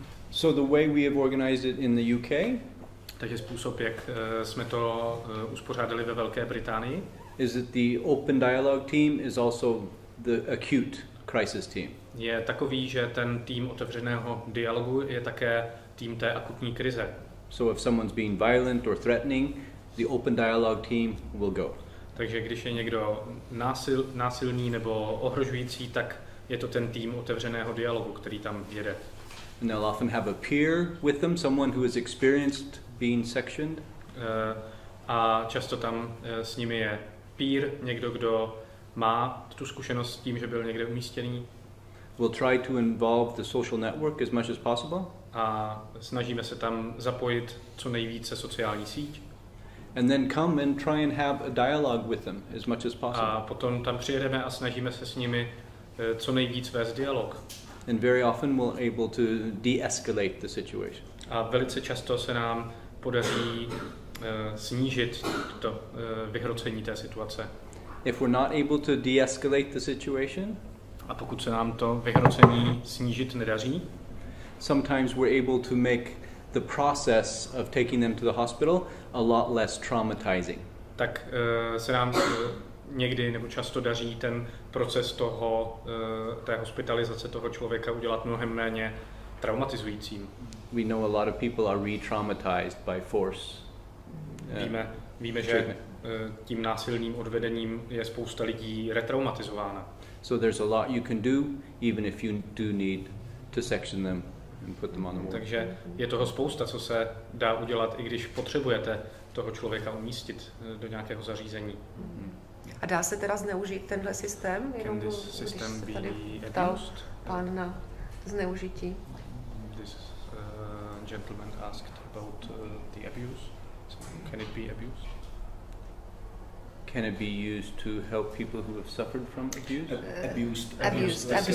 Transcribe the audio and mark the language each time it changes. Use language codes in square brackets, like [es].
[en] So the way we have organized it in the UK. [cs] Takže způsob, jak jsme to uspořádali ve Velké Británii. [en] Is that the open dialogue team is also the acute crisis team. [cs] Je takový, že ten tým otevřeného dialogu je také tým té akutní krize. [en] So if someone's being violent or threatening, the open dialogue team will go. [cs] Takže když je někdo násilný nebo ohrožující, tak je to ten tým otevřeného dialogu, který tam jede. [en] And they'll often have a peer with them, someone who has experienced being sectioned. [cs] A často tam s nimi je peer, někdo, kdo má tu zkušenost s tím, že byl někde umístěný. [en] We'll try to involve the social network as much as possible. [cs] A snažíme se tam zapojit co nejvíce sociální síť. [en] And then come and try and have a dialogue with them as much as possible. [cs] A potom tam přijedeme a snažíme se s nimi co nejvíc vést dialog. [en] And very often we're able to de-escalate the situation. [cs] A velice často se nám podaří snížit to vyhrocení té situace. [en] If we're not able to de-escalate the situation, [cs] a pokud se nám to vyhrocení snížit nedaří, [en] sometimes we're able to make the process of taking them to the hospital a lot less traumatizing. [cs] Tak se nám někdy nebo často daří ten proces toho té hospitalizace toho člověka udělat mnohem méně traumatizujícím. [en] We know a lot of people are re-traumatized by force. [cs] Víme, že tím násilným odvedením je spousta lidí retraumatizována. [en] So there's a lot you can do, even if you do need to section them and put them on the ward. [cs] Takže je toho spousta, co se dá udělat, i když potřebujete toho člověka umístit do nějakého zařízení. A dá se teda zneužít tenhle systém? [en] Can this system be abused? [cs] Ptal pán na zneužití. [en] This gentleman asked about the abuse. So can it be abused? Can it be used to help people who have suffered from abuse?